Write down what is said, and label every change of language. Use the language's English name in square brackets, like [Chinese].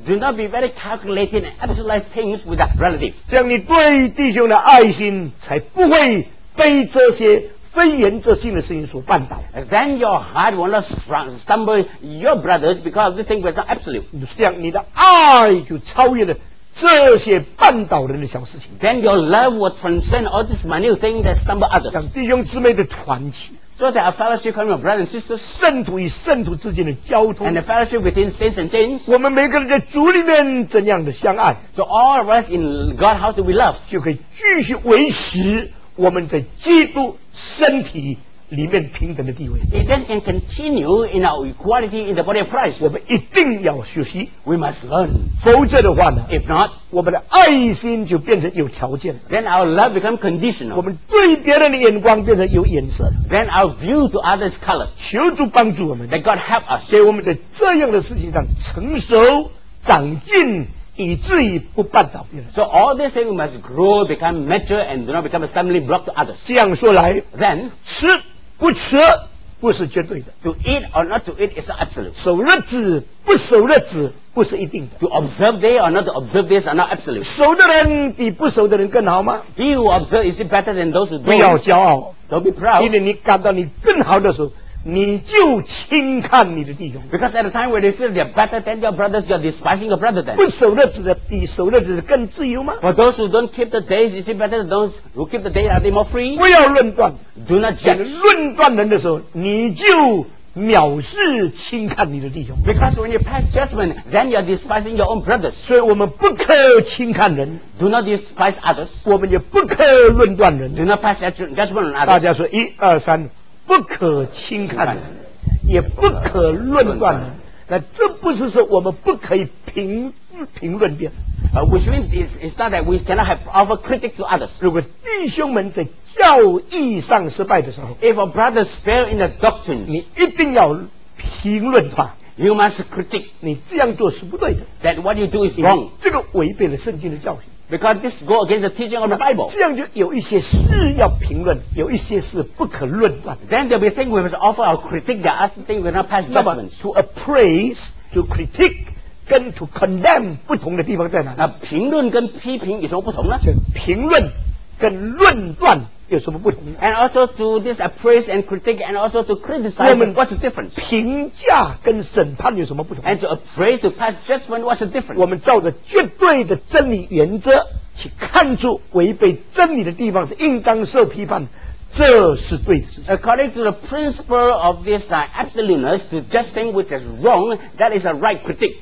[English] Do not be very calculated and absolute things with a relative [Chinese] 这样你对弟兄的爱心才不会被这些非原则性的事情所绊倒 [English] Then your heart will not stumble your brothers because of the thing was not absolute [Chinese] 这样你的爱就超越了这些绊倒人的小事情 [English] Then your love will transcend all these minute things that stumble others [Chinese] 像弟兄姊妹的团契 [English] So that a fellowship between brothers and sisters, [Chinese] 圣徒与圣徒之间的交通 [English] and a fellowship between saints and saints, [Chinese] 我们每个人在主里面怎样的相爱 [English] so all of us in God, how do we love? [Chinese] 就可以继续维持我们在基督身体里面平等的地位 [English] It then can continue in our equality in the body of Christ. [Chinese] 我们一定要学习 [English] We must learn. [Chinese] 否则的话呢 [English] If not, [Chinese] 我们的爱心就变成有条件 [English] Then our love becomes conditional. [Chinese] 我们对别人的眼光变成有颜色 [English] Then our view to others color. [Chinese] 求主帮助我们 [English] Let God help us. [Chinese] 给我们在这样的事情上成熟长进以至于不绊倒别人 [English] So all these things must grow, become mature and do not become a stumbling block to others. [Chinese] 这样说来 [English] Then [Chinese] 吃不吃不是绝对的 [English] To eat or not to eat is absolute [Chinese] 守日子不守日子不是一定的 [English] To observe day or not to observe days are not absolute [Chinese] 守的人比不守的人更好吗 [English] He who observe is it better than those who don't [Chinese] 不要骄傲 [English] Don't be proud [Chinese] 因为你感到你更好的时候你就轻看你的弟兄 [English] Because at a time when you feel they're better than your brothers You're despising your brother then [Chinese] 不守日子的比守日子的更自由吗 [English] For those who don't keep the days Is it better than those who keep the days Are they more free? [Chinese] 不要论断 [English] Do not judge [Chinese] 论断人的时候你就藐视轻看你的弟兄。 [English] Because when you pass judgment, then you are despising your own brothers. [Chinese] 所以我们不可轻看人。 [English] Do not despise others. [Chinese] 我们也不可论断人。 [English] Do not pass judgment on others. [Chinese] 大家说一二三，不可轻看人，也不可论断人。那这不是说我们不可以评论别人。 [English] Which means it's not that we cannot have offer critique to others. [Chinese] 如果弟兄们在教义上失败的时候， [English] if a brother fail in the doctrine, [Chinese] 你一定要评论他。 [English] You must critique. [Chinese] 你这样做是不对的。 [English] That what you do is wrong. [Chinese] 这个违背了圣经的教训。 [English] Because this go against the teaching of the Bible. [Chinese] 这样就有一些事要评论，有一些事不可论断。 [English] Then there will be things we must offer our critique. There are things we will not pass judgment. To appraise, to critique. [Chinese] 跟 [English] to condemn [Chinese] 不同的地方在哪？那评论跟批评有什么不同呢？评论跟论断有什么不同 [English] ？And also to this appraise and critique, and also to criticize, what's the difference? [Chinese] 评价跟审判有什么不同 [English] ？And to appraise, to pass judgment, what's the difference? [Chinese] 我们照着绝对的真理原则去看出违背真理的地方是应当受批判。这是对的。 [English] According to the principle of this absoluteness, to just think which is wrong, that is a right critique.